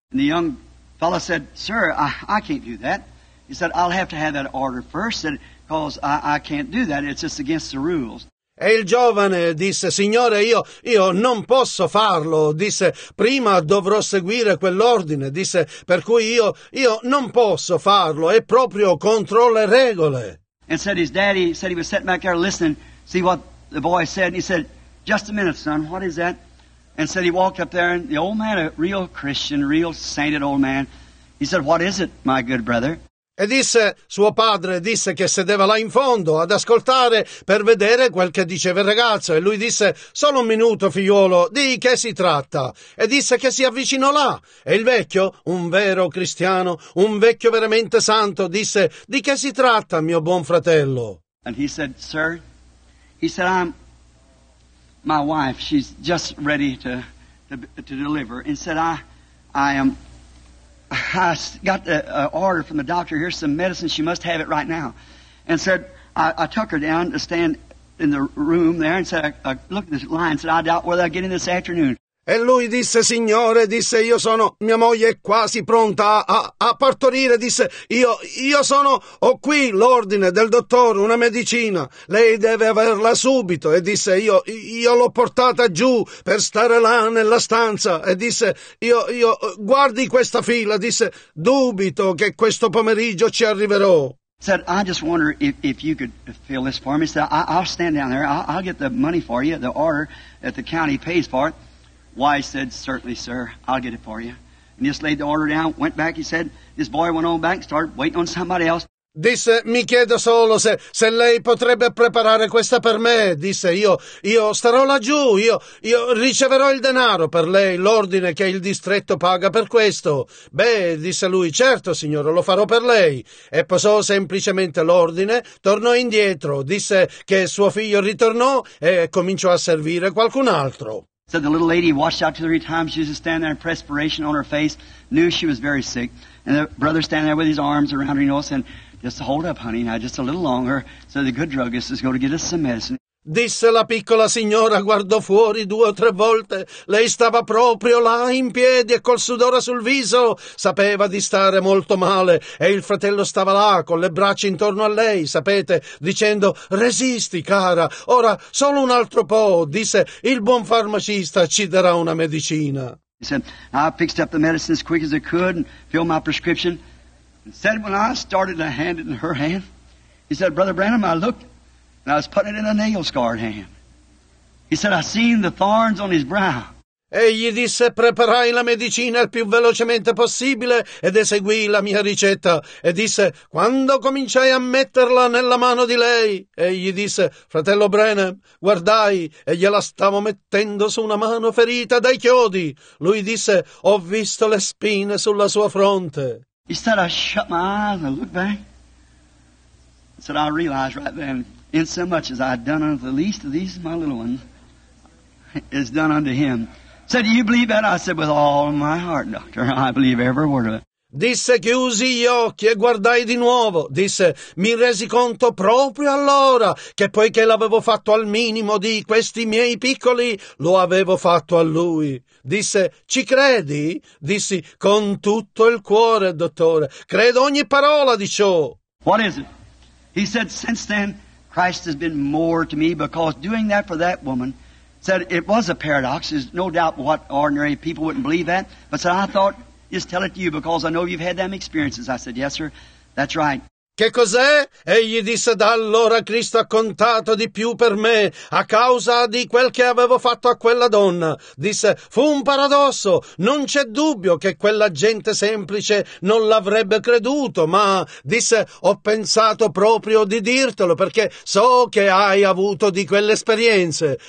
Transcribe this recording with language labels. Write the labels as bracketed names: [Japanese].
[English] And the young fellow said, sir, I can't do that. He said, I'll have to have that order first, because I can't do that, it's just against the rules. [Italian] E il giovane disse, signore, io non posso farlo, disse, prima dovrò seguire quell'ordine, disse, per cui io non posso farlo, è proprio contro le regole. [English] And said his daddy, said he was sitting back there listening, see what the boy said, and he said, just a minute, son, what is that? And said he walked up there, and the old man, a real Christian, real sainted old man, he said, what is it, my good brother? [Italian] E disse, suo padre disse che sedeva là in fondo ad ascoltare per vedere quel che diceva il ragazzo. E lui disse, solo un minuto figliolo, di che si tratta? E disse che si avvicinò là. E il vecchio, un vero cristiano, un vecchio veramente santo, disse, di che si tratta mio buon fratello? [English] And he said, sir, he said, I'm my wife, she's just ready to deliver. And said, I am... I got an order from the doctor, here's some medicine, she must have it right now. And said, I took her down to stand in the room there and said, I looked at the line and said, I doubt whether I get in this afternoon. [Italian] E lui disse, Signore, disse, io sono, mia moglie è quasi pronta a partorire, disse, io sono, ho qui l'ordine del dottore, una medicina, lei deve averla subito. E disse, io l'ho portata giù per stare là nella stanza. E disse, io guardi questa fila, disse, dubito che questo pomeriggio ci arriverò. [English] Said, I just wonder if you could fill this for me. He said, I'll stand down there. I'll get the money for you, the order that the county pays for it. Why, he said, certainly, sir, I'll get it for you. And just laid the order down, went back, he said. This boy went on back, started waiting on somebody else. [Italian] Disse, mi chiedo solo se lei potrebbe preparare questa per me. Disse, io starò laggiù, io riceverò il denaro per lei, l'ordine che il distretto paga per questo. Beh, disse lui, certo, signore, lo farò per lei. E posò semplicemente l'ordine, tornò indietro, disse che suo figlio ritornò e cominciò a servire qualcun altro. [English] Said the little lady washed out 2 or 3 times. She was just standing there in perspiration on her face, knew she was very sick. And the brother standing there with his arms around her, you know, saying, just hold up, honey, now just a little longer. So the good druggist is going to get us some medicine. [Italian] Disse la piccola signora, guardò fuori 2 o 3 volte. Lei stava proprio là in piedi e col sudore sul viso. Sapeva di stare molto male e il fratello stava là con le braccia intorno a lei, sapete, dicendo, resisti, cara, ora solo un altro po', disse, il buon farmacista ci darà una medicina. [English] He said, I picked up the medicine as quick as I could and filled my prescription. And said, when I started to hand it in her hand, he said, Brother Branham, I looked. And I was putting it in a nail-scarred hand. He said, I seen the thorns on his brow. [Italian] Egli disse, preparai la medicina il più velocemente possibile ed eseguì la mia ricetta. E disse, quando cominciai a metterla nella mano di lei, egli disse, fratello Branham, guardai, e gliela stavo mettendo su una mano ferita dai chiodi. Lui disse, ho visto le spine sulla sua fronte. [English] He said, I shut my eyes and looked back. He said, I realized right then, in so much as I had done unto the least of these, my little ones, is done unto him. Said, do you believe that? I said, with all my heart, doctor, I believe every word of it. [Italian] Disse, chiusi gli occhi e guardai di nuovo. Disse, mi resi conto proprio allora che poiché l'avevo fatto al minimo di questi miei piccoli, lo avevo fatto a lui. Disse, ci credi? Dissi, con tutto il cuore, dottore. Credo ogni parola di ciò. [English] What is it? He said, since then, Christ has been more to me because doing that for that woman, said it was a paradox, is no doubt what ordinary people wouldn't believe that, but said I thought, just tell it to you because I know you've had them experiences. I said, yes sir, that's right. [Italian] Che cos'è? Egli disse, da allora Cristo ha contato di più per me a causa di quel che avevo fatto a quella donna. Disse, fu un paradosso. Non c'è dubbio che quella gente semplice non l'avrebbe creduto, ma, disse, ho pensato proprio di dirtelo perché so che hai avuto di quelle esperienze.